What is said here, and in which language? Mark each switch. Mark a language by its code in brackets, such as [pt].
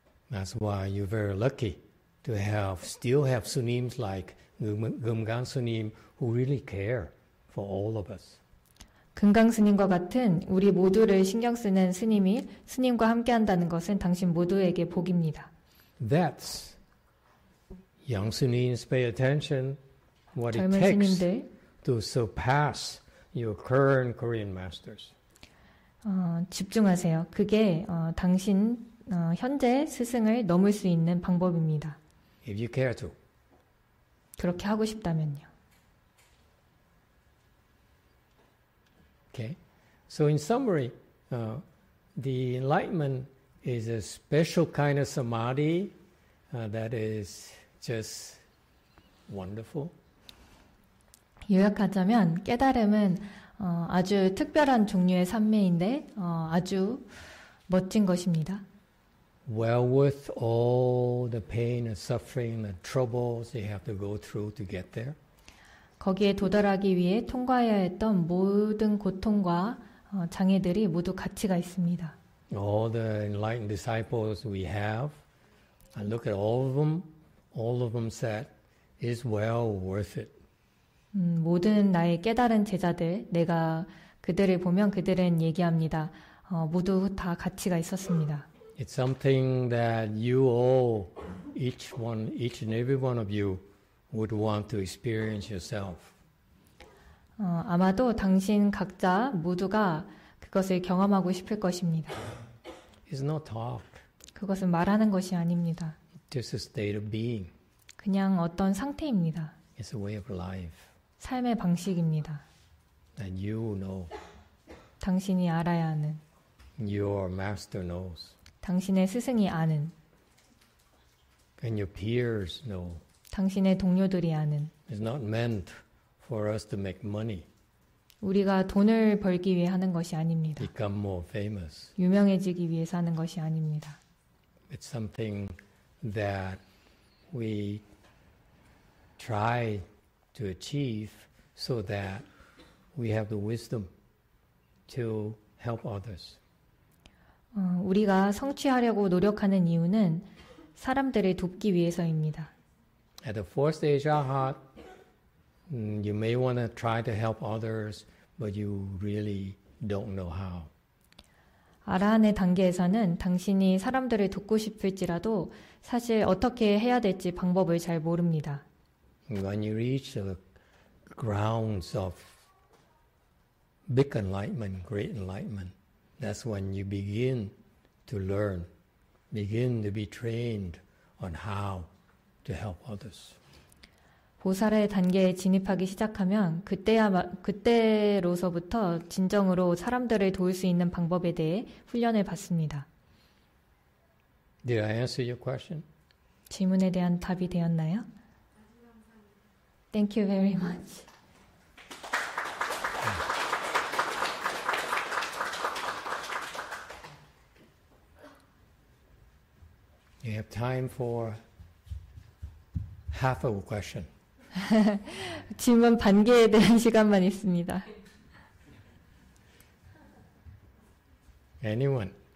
[en] That's why you're very lucky to have still have sunims like 금강 스님 who really care for all of us. [ko] 금강 스님과 같은 우리 모두를 신경 쓰는 스님이 스님과 함께 한다는 것은 당신 모두에게 복입니다. [en] That's young sunims pay attention what it takes [ko] 스님들. [en] To surpass your current Korean masters. [ko] 집중하세요. 그게 당신 현재 스승을 넘을 수 있는 방법입니다. [en] If you care to. [ko] 그렇게 하고 싶다면요. [en] Okay. So in summary, the enlightenment is a special kind of samadhi that is just wonderful. [ko] 요약하자면 깨달음은 아주 특별한 종류의 삼매인데 아주 멋진 것입니다. [en] Well worth all the pain and suffering and troubles you have to go through to get there. [ko] 거기에 도달하기 위해 통과해야 했던 모든 고통과 장애들이 모두 가치가 있습니다. [en] All the enlightened disciples we have, I look at all of them said, it's well worth it. [ko] 모든 나의 깨달은 제자들, 내가 그들을 보면 그들은 얘기합니다. 모두 다 가치가 있었습니다. [en] It's something that you all, each and every one of you, would want to experience yourself. [ko] 아마도 당신 각자 모두가 그것을 경험하고 싶을 것입니다. [en] It's not talk. [ko] 그것은 말하는 것이 아닙니다. [en] It's a state of being. [ko] 그냥 어떤 상태입니다. [en] It's a way of life. [ko] 삶의 방식입니다. [en] That you know. [ko] 당신이 알아야 하는. [en] Your master knows. [ko] 당신의 스승이 아는. [en] And your peers know. [ko] 당신의 동료들이 아는. [en] It's not meant for us to make money. [ko] 우리가 돈을 벌기 위해 하는 것이 아닙니다. [en] Become more famous. [ko] 유명해지기 위해서 하는 것이 아닙니다. [en] It's something that we try to achieve so that we have the wisdom to help others. [ko] 우리가 성취하려고 노력하는 이유는 사람들을 돕기 위해서입니다. [en] At the fourth stage of heart, you may want to try to help others, but you really don't know how. [ko] 아라한의 단계에서는 당신이 사람들을 돕고 싶을지라도 사실 어떻게 해야 될지 방법을 잘 모릅니다. [en] When you reach the grounds of big enlightenment, great enlightenment, that's when you begin to learn, begin to be trained on how to help others. [ko] 보살의 단계에 진입하기 시작하면 그때로서부터 진정으로 사람들을 도울 수 있는 방법에 대해 훈련을 받습니다. [en] Did I answer your question? [ko] 질문에 대한 답이 되었나요? [en] Thank you very much. We have time for half of a question. [ko] 질문 반개에 대한 시간만 있습니다. [en] Anyone?